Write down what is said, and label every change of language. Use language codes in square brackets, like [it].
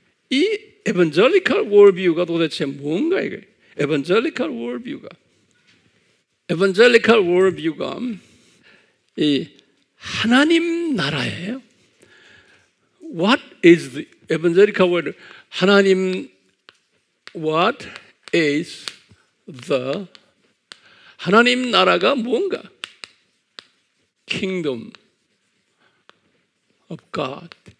[ko] 이 evangelical worldview가 도대체 뭔가 이게? evangelical worldview가. evangelical worldview가 이 하나님 나라예요. [en] What is the evangelical word? [ko] 하나님, [en] what is the [ko] 하나님 나라가 뭔가? [en] Kingdom of God.